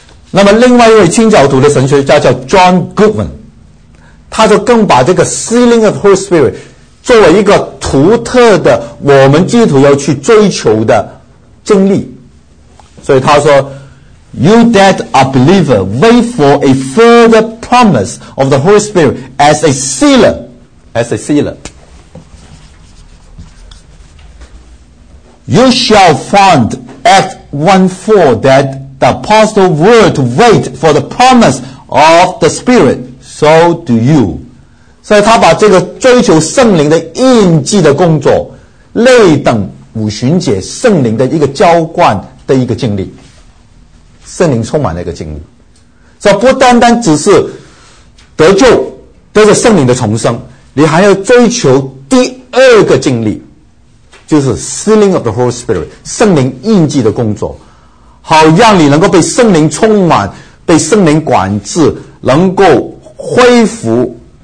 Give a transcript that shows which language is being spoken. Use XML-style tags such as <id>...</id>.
<zh>那么另外一位清教徒的神学家叫 John Goodman， 他就更把这个</zh> <en>sealing of the Holy Spirit</en> <zh>作为一个独特的我们基督徒要去追求的经历。所以他说</zh> <en>You that are believer, wait for a further promise of the Holy Spirit as a sealer. As a sealer. You shall find Acts 1:4 that the apostle were to wait for the promise of the Spirit. So do you.</en> <zh>所以他把这个追求圣灵的印记的工作类等五旬节圣灵的一个浇灌的一个经历，圣灵充满了一个经历，所以不单单只是得救得着圣灵的重生，你还要追求第二个经历，就是</zh> <en>sealing of the Holy Spirit</en> <zh>圣灵印记的工作，好让你能够被圣灵充满，被圣灵管制，能够恢复</zh>